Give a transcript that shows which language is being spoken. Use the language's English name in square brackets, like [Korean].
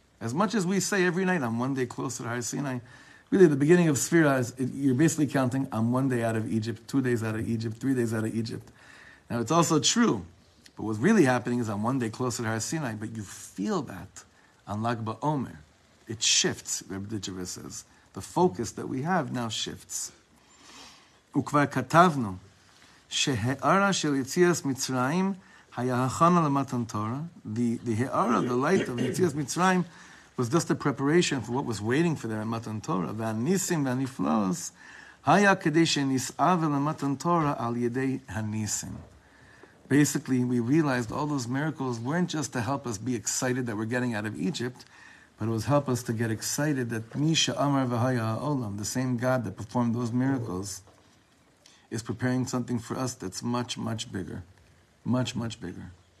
[English] As much as we say every night, I'm one day closer to Har Sinai, really the beginning of Sfira is, you're basically counting, I'm one day out of Egypt, 2 days out of Egypt, 3 days out of Egypt. Now it's also true, but what's really happening is I'm one day closer to Har Sinai, but you feel that on Lag Ba'omer. It shifts, Rebbe Dijavis says. The focus that we have now shifts. [Hebrew] וכבר כתבנו שהערה של יציאת מצרים היה הכנה למתן תורה. [English] The light of יציאת מצרים was just a preparation for what was waiting for them in Matan Torah. [Hebrew] והניסים והנפלאות היה כדי שנשאב למתן תורה על ידי הניסים. [English] Basically, we realized all those miracles weren't just to help us be excited that we're getting out of Egypt, but it was help us to get excited that [Hebrew] Misha Amar v'haya ha'olam, [English] the same God that performed those miracles, is preparing something for us that's much, much bigger. Much, much bigger.